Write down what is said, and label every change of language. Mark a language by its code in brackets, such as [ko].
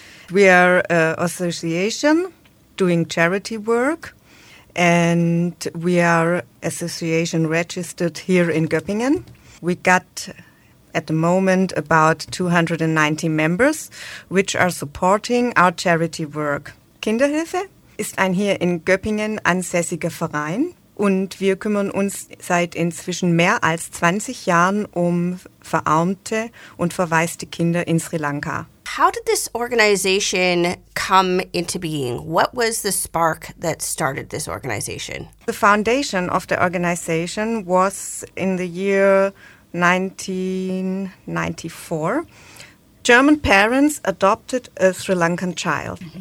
[en] We are an association doing charity work, and we are association registered here in Göppingen. We got at the moment about 290 members, which are supporting our charity work. [de] Kinderhilfe ist ein hier in Göppingen ansässiger Verein, und wir kümmern uns seit inzwischen mehr als 20 Jahren um verarmte und verwaiste Kinder in Sri Lanka. [en] How did this organization come into being? What was the spark that started this organization? The foundation of the organization was in the year 1994. German parents adopted a Sri Lankan child. Mm-hmm.